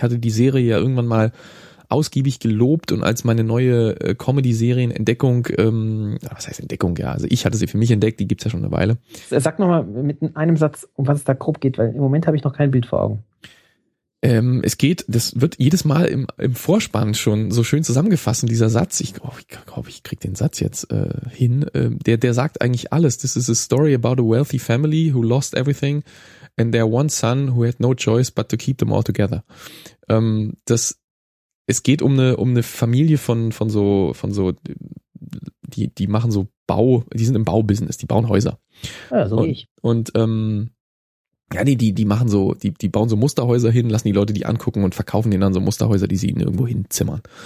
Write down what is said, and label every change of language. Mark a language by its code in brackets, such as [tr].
[de] Ich hatte die Serie ja irgendwann mal ausgiebig gelobt und als meine neue Comedy-Serien-Entdeckung, was heißt Entdeckung, ja, also ich hatte sie für mich entdeckt, die gibt's ja schon eine Weile. Sag nochmal mit einem Satz, um was es da grob geht, weil im Moment habe ich noch kein Bild vor Augen. Es geht, das wird jedes Mal im Vorspann schon so schön zusammengefasst, und dieser Satz, ich glaube, ich krieg den Satz jetzt hin, der sagt eigentlich alles. [en] This is a story about a wealthy family who lost everything and their one son who had no choice but to keep them all together. [de] Es geht um eine Familie von so, die machen so Bau, die sind im Baubusiness, die bauen Häuser. Ja, so wie ich. Die bauen so Musterhäuser hin, lassen die Leute die angucken und verkaufen denen dann so Musterhäuser, die sie ihnen irgendwo hinzimmern.